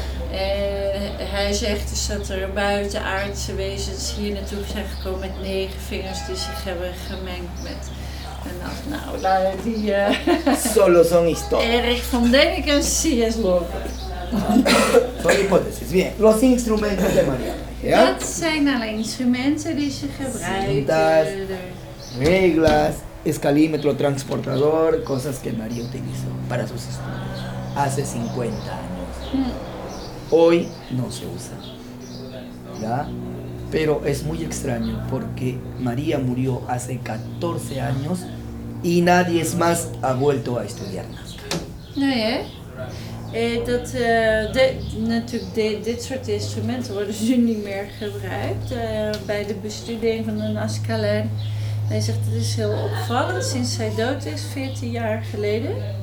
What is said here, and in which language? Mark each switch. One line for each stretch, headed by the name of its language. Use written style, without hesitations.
Dutch: Hij zegt dus dat er buitenaardse wezens hier naartoe zijn gekomen met 9 vingers die zich hebben gemengd met. En dat, nou, die.
Spanish: Solo son historia. Erich von Däniken, sí es loco. Son hipótesis, bien. Los instrumentos de Mariana. Ja?
Dutch: Dat zijn alle instrumenten die ze gebruiken.
Spanish: Reglas, escalímetro, transportador, cosas que María utilizó para sus estudios hace 50 años. Hoy no se usa, ¿ya? Pero es muy extraño porque María murió hace 14 años y nadie más ha vuelto a estudiar Nazca. No, ¿eh?
Dutch: Dat natuurlijk dit soort instrumenten worden nu niet meer gebruikt bij de bestudering van de Nazca lijn. Hij zegt dat is heel opvallend sinds hij dood is, 14 jaar geleden.